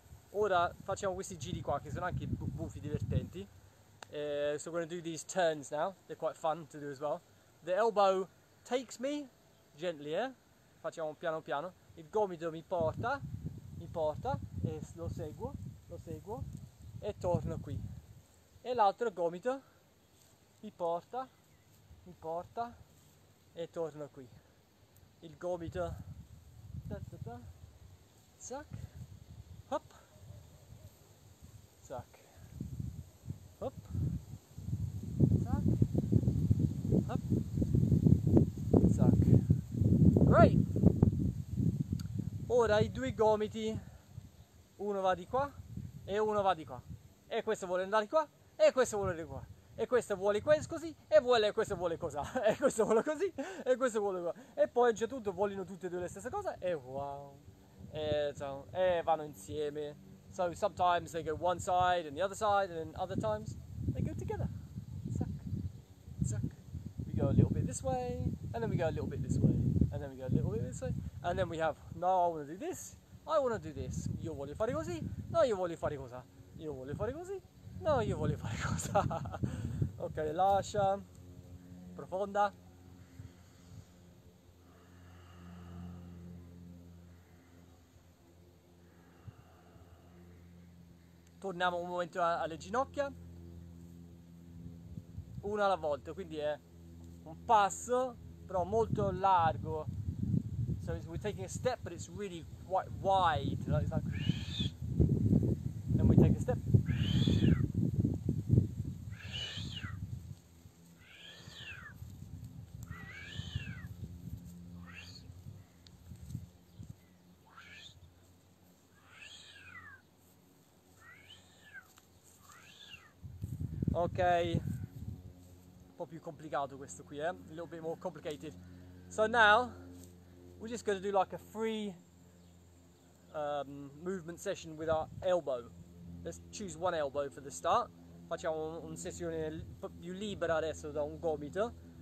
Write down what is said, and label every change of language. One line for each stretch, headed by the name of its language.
Italian: Ora facciamo questi giri qua che sono anche buffi divertenti.
English: So we're going to do these turns now. They're quite fun to do as well. The elbow takes me gently,
Italian: Facciamo piano piano. Il gomito mi porta e lo seguo e torno qui. E l'altro gomito mi porta e torno qui. Il gomito, zack, hop, zack, hop, zack, hop, zack. Great! Ora I due gomiti, uno va di qua e uno va di qua. E questo vuole andare qua e questo vuole andare qua. E questo vuole questo così, e vuole questo vuole cosa, e questo vuole così, e questo vuole qua. E poi c'è tutto, vogliono tutte e due le stesse cose, e wow, e vanno insieme.
English: So sometimes they go one side and the other side, and then other times they go together. Zack, zack. We go a little bit this way, and then we go a little bit this way, and then we go a little bit this way, And then we have, no, I want to do this, I want to do this.
Italian: Io voglio fare così, no, io voglio fare cosa. Io voglio fare così, no, io voglio fare cosa. Ok, lascia, profonda. Torniamo un momento alle ginocchia, una alla volta, quindi è un passo, però molto largo.
English: So we're taking a step, but it's really quite wide. Like, it's like... Then we take a step.
Italian: Ok, un po' più complicato questo qui, eh?
English: A little bit more complicated. So now, we're just going to do like a free movement session with our elbow. Let's choose one elbow for the start.
Italian: Facciamo una sessione più libera adesso da un gomito.